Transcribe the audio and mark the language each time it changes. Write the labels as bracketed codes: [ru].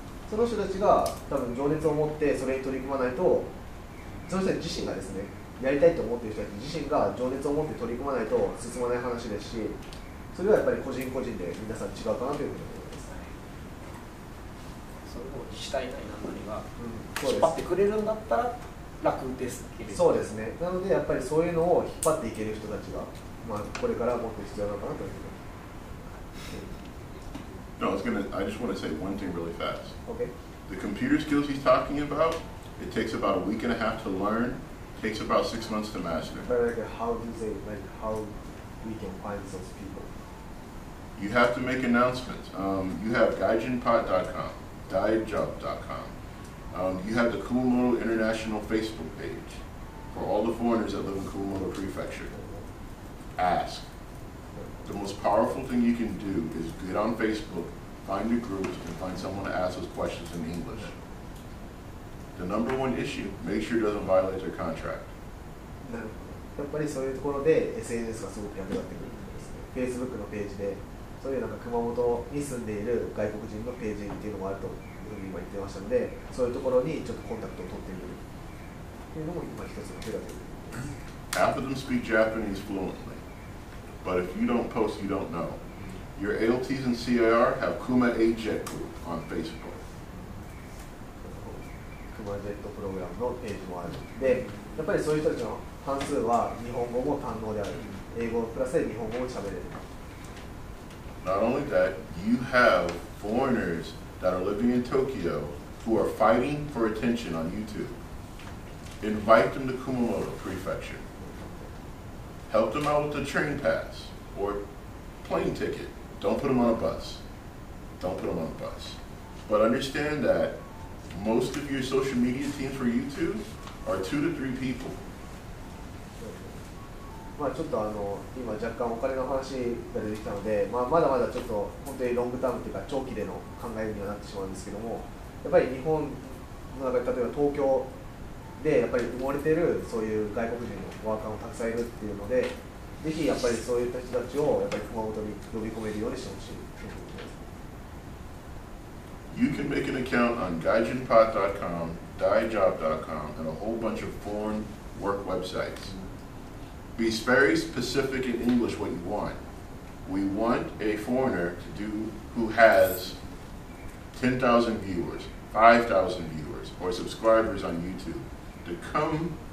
[ja] その人たちが多分情熱を持ってそれに取り組まないと、その人自身がですね、やりたいと思っている人たち自身が情熱を持って取り組まないと進まない話ですし、それはやっぱり個人個人で皆さん違うかなというふうに思います。それも自治体内なのにが引っ張ってくれるんだったら楽ですけど、そうですね。なのでやっぱりそういうのを引っ張っていける人たちが、まあ、これから持って必要なのかなと思います。 [en] No, I just want to say one thing really fast. Okay. The computer skills he's talking about, it takes about a week and a half to learn, takes about 6 months to master. But like, how we can find those people? You have to make announcements. You have gaijinpod.com, diejob.com. You have the Kumamoto International Facebook page for all the foreigners that live in Kumamoto Prefecture. Ask. The most powerful thing you can do is get on Facebook, find your groups, and find someone to ask those questions in English. The number one issue, make sure it doesn't violate your contract. [ja] やっぱりそういうところで SNS がすごく役立ってくるんですね。 Facebook のページで、そういうなんか熊本に住んでいる外国人のページっていうのもあるというふうに今言ってましたので、そういうところにちょっとコンタクトを取ってみるというのも今一つの手だと思います。 [en] Half of them speak Japanese fluently. But if you don't post, you don't know. Your ALTs and CIR have Kuma AJET group on Facebook. [ja] Kuma AJET program のページもある。で、やっぱりそういう人たちの半数は日本語も堪能である。英語プラス日本語も喋れる。 [en] Not only that, you have foreigners that are living in Tokyo who are fighting for attention on YouTube. Invite them to Kumamoto Prefecture. Help them out with the train pass or plane ticket. Don't put them on a bus. Don't put them on a bus. But understand that most of your social media team for YouTube are 2 to 3 people. [ja] まあちょっと今若干お金の話が出てきたので、まあまだまだちょっと本当にロングタームというか長期での考えにはなってしまうんですけども、やっぱり日本の中で例えば東京でやっぱり埋もれているそういう外国人のワーカーもたくさんいるっていうので、ぜひやっぱりそういった人たちをやっぱり熊本に呼び込めるようにしてほしいと思います。 [en] You can make an account on gaijinpod.com, diejob.com and a whole bunch of foreign work websites. Be very specific in English what you want. We want a foreigner to do who has 10,000 viewers, 5,000 viewers or subscribers on YouTube.To come